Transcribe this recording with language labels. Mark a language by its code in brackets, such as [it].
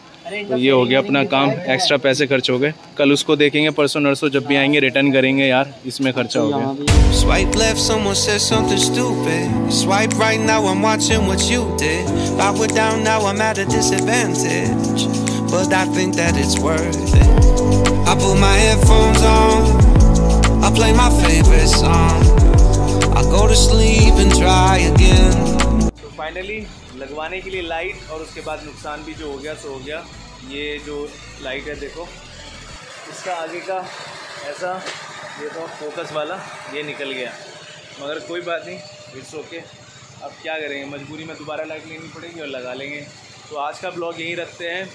[hi] तो ये हो गया अपना काम, एक्स्ट्रा पैसे खर्च हो गए, कल उसको देखेंगे, परसों नरसों जब भी आएंगे रिटर्न करेंगे यार, इसमें खर्चा हो गया। [en] I put my headphones on, I play my favorite song. I go to sleep and try again. So finally, [hi] लगवाने के लिए लाइट और उसके बाद नुकसान भी जो हो गया सो हो गया. ये जो लाइट है देखो, इसका आगे का ऐसा ये तो फोकस वाला ये निकल गया, मगर कोई बात नहीं, [en] It's okay. [hi] अब क्या करेंगे, मजबूरी में दोबारा लाइट लेनी पड़ेगी और लगा लेंगे. तो आज का ब्लॉग यहीं रखते हैं.